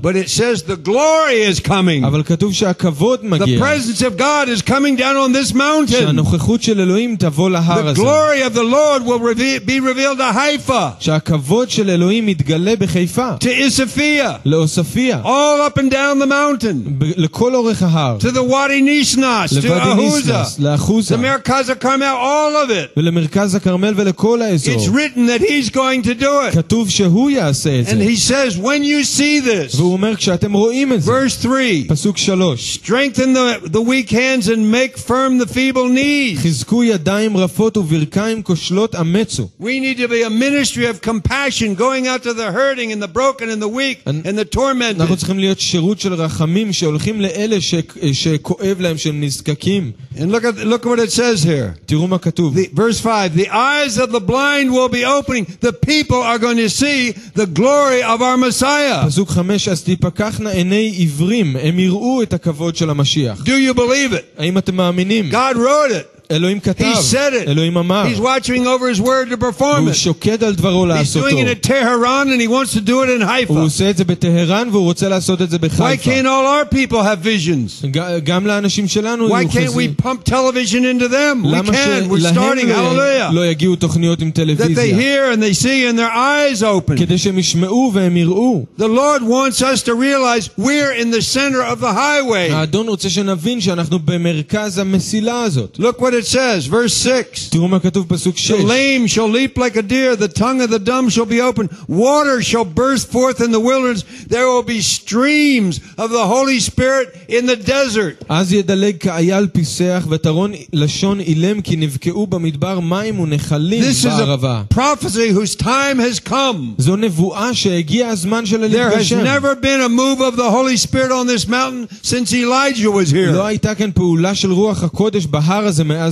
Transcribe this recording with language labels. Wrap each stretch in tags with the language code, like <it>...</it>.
<en>But it says the glory is coming.</en> <he>אבל כתוב שהכבוד מגיע.</he> <en>The presence of God is coming down on this mountain.</en> <he>שהנוכחות של אלוהים תבוא להר הזה.</he> <en>The glory of the Lord will be revealed to Haifa.</en> <he>שהכבוד של אלוהים יתגלה בחיפה.</he> <en>To Isafia.</en> <he>לאוספיה.</he> <en>All up and down the mountain.</en> <he>לכל אורך ההר.</he> <en>To the Wadi Nishnas.</en> <he>לוואדי נישנס. לאחוזה.</he> <en>To מרכז הכרמל, all of it.</en> <he>ולמרכז הכרמל ולכל האזור.</he> <en>It's written that he's going to do it.</en> <he>כתוב שהוא יעשה את זה.</he> <en>And he says, when you see this.</en> <he>והוא אומר כשאתם רואים את זה.</he> <en>Verse 3.</en> <he>פסוק 3.</he> <en>Strengthen the weak hands and make firm the feeble knees.</en> <he>חזקו ידיים רפות וברכיים כושלות אמצו.</he> <en>We need to be a ministry of compassion going out to the hurting and the broken and the weak and the tormented.</en> <he>אנחנו צריכים להיות שירות של רחמים שהולכים לאלה שכואב להם שהם נזקקים.</he> <en>And look what it says here.</en> <he>תראו מה כתוב.</he> <en>Verse 5. The eyes of the blind will be opening. The people are going to see the glory of our Messiah.</en> <he>פסוק 5. אז תפקחנה עיני עיוורים. הם יראו את הכבוד של המשיח.</he> <en>Do you believe it?</en> <he>האם אתם מאמינים?</he> <en>God wrote it.</en> <he>אלוהים כתב.</he> <en>He said it.</en> <he>אלוהים אמר.</he> <en>He's watching over his word to perform it.</en> <he>הוא שוקד על דברו לעשותו.</he> <en>He's doing it in Tehran and he wants to do it in Haifa.</en> <he>הוא עושה את זה בטהרן והוא רוצה לעשות את זה בחיפה.</he> <en>Why can't all our people have visions?</en> <he>גם לאנשים שלנו.</he> <en>Why can't we pump television into them? We can. We're starting. Hallelujah.</en> <he>לא יגיעו תוכניות עם טלוויזיה.</he> <en>That they hear and they see and their eyes open.</en> <he>כדי שהם ישמעו והם יראו.</he> <en>The Lord wants us to realize we're in the center of the highway.</en> <he>האדון רוצה שנבין שאנחנו במרכז המסילה הזאת.</he> <en>Look what it says, verse 6. The lame shall leap like a deer, the tongue of the dumb shall be opened, water shall burst forth in the wilderness, there will be streams of the Holy Spirit in the desert.</en> <he>אז ידלג כאייל פיסח ותרון לשון אילם כי נבקעו במדבר מים ונחלים בערבה.</he> <en>This is a prophecy whose time has come.</en> <he>זו נבואה שהגיע הזמן של אליהו.</he> <en>There has never been a move of the Holy Spirit on this mountain since Elijah was here.</en> <he>לא הייתה כאן פעולה של רוח הקודש בהר הזה.</he>